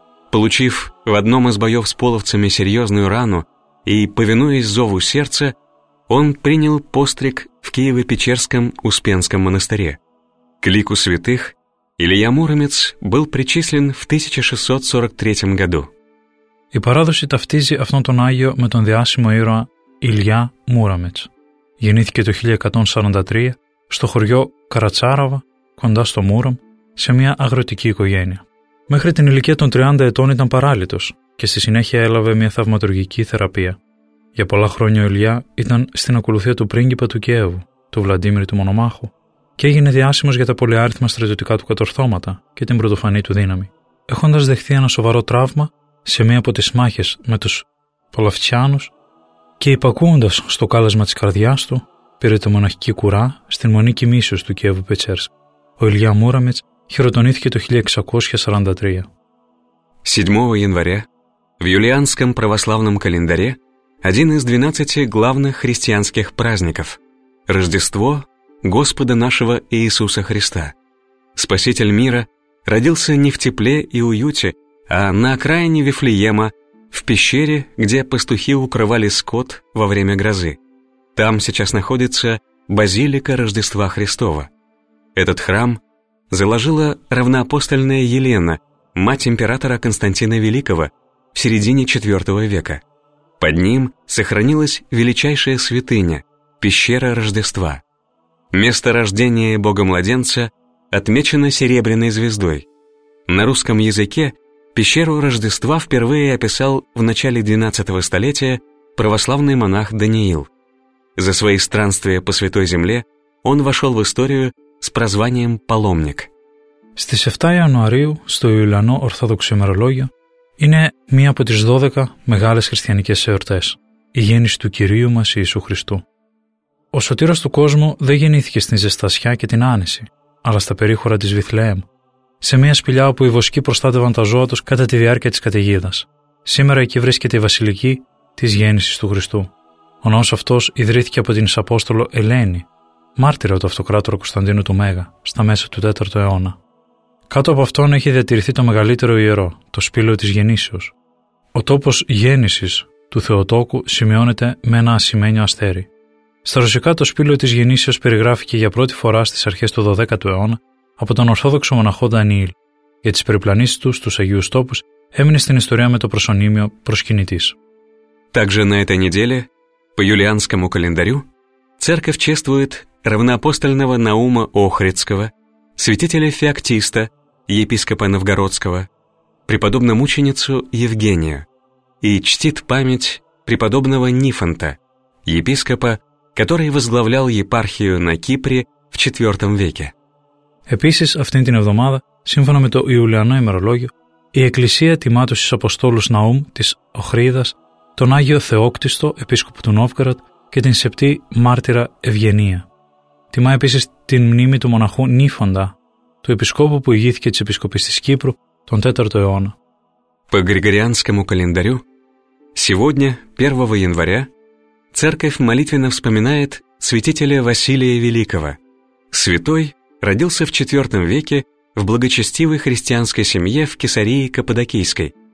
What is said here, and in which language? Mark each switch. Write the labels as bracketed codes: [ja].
[ru] Получив в одном из боев с половцами серьезную рану и повинуясь зову сердца, он принял постриг в Киево-Печерском Успенском монастыре. К лику святых Илья Муромец был причислен в 1643 году. [el] Η παράδοση ταυτίζει αυτόν τον Άγιο με τον διάσημο ήρωα Ηλιά Μούραμετς. Γεννήθηκε το 1143 στο χωριό Καρατσάραβα, κοντά στο Μούραμ, σε μια αγροτική οικογένεια. Μέχρι την ηλικία των 30 ετών ήταν παράλυτος και στη συνέχεια έλαβε μια θαυματουργική θεραπεία. Για πολλά χρόνια ο Ηλιά ήταν στην ακολουθία του πρίγκιπα του Κιέβου, του Βλαντίμιρη του Μονομάχου, και έγινε διάσημος για τα πολυάριθμα στρατιωτικά του κατορθώματα και την πρωτοφανή του δύναμη, έχοντας δεχθεί ένα σοβαρό τραύμα σε μία από τις μάχες με τους Παλαυτιάνους και υπακούοντας στο κάλεσμα της καρδιάς του, πήρε το μοναχική κουρά στην Μονή Κοιμήσεως του Κιέβου Πετσέρσκ. Ο Ηλιά Μούραμετς χειροτονήθηκε το 1643. [ru] 7 января в юлианском православном календаре один из 12 главных христианских праздников – Рождество Господа нашего Иисуса Христа. Спаситель мира родился не в тепле и уюте, а на окраине Вифлеема, в пещере, где пастухи укрывали скот во время грозы. Там сейчас находится базилика Рождества Христова. Этот храм заложила равноапостольная Елена, мать императора Константина Великого, в середине IV века. Под ним сохранилась величайшая святыня – пещера Рождества. Место рождения Бога-младенца отмечено серебряной звездой. На русском языке пещеру Рождества впервые описал в начале 12 столетия православный монах Даниил. За свои странствия по Святой Земле он вошел в историю с прозванием «паломник». [el] Στις 7 Ιανουαρίου, στο Ιουλιανό Ορθόδοξο ημερολόγιο, είναι μία από τις 12 μεγάλες χριστιανικές εορτές, η γέννηση του Κυρίου μας Ιησού Χριστού. Ο σωτήρας του κόσμου δεν γεννήθηκε στην ζεστασιά και την άνεση, αλλά στα περίχωρα της Βιθλέεμ, σε μια σπηλιά όπου οι βοσκοί προστάτευαν τα ζώα τους κατά τη διάρκεια της καταιγίδας. Σήμερα εκεί βρίσκεται η βασιλική της γέννησης του Χριστού. Ο ναός αυτός ιδρύθηκε από την Απόστολο Ελένη, μάρτυρα του Αυτοκράτορα Κωνσταντίνου του Μέγα, στα μέσα του 4ου αιώνα. Κάτω από αυτόν έχει διατηρηθεί το μεγαλύτερο ιερό, το σπήλαιο της γεννήσεως. Ο τόπος γέννησης του Θεοτόκου σημειώνεται με ένα ασημένιο αστέρι. Στα ρωσικά το σπήλαιο της γεννήσεως περιγράφηκε για πρώτη φορά στις αρχές του 12ου αιώνα από τον Ορθόδοξο μοναχό Δανιήλ. Για τις περιπλανήσεις του στους Αγίους Τόπους έμεινε στην ιστορία με το προσωνύμιο προσκυνητής. [ru] Также на этой неделе по юлианскому календарю церковь чествует равноапостольного Наума Охридского, святителя Феоктиста, епископа Новгородского, преподобную мученицу Евгения и чтит память преподобного Нифонта, епископа, который возглавлял епархию на Кипре в IV веке. [el] Επίσης, αυτήν την εβδομάδα, σύμφωνα με το Ιουλιανό ημερολόγιο, η Εκκλησία τιμά τους Αποστόλους Ναούμ της Οχρίδας, τον Άγιο Θεόκτιστο, επίσκοπο του Νόβγαρατ, και την Σεπτή Μάρτυρα Ευγενία. Τιμά επίσης την μνήμη του μοναχού Νίφοντα, του επισκόπου που ηγήθηκε της Επισκοπής της Κύπρου τον 4ο αιώνα. [ru] По Григорианскому календарю, сегодня, 1 января, Церковь молитвенно вспоминает святителя Василия Великого. Святой родился в IV веке в благочестивой христианской семье в Кесарии Каппадокийской,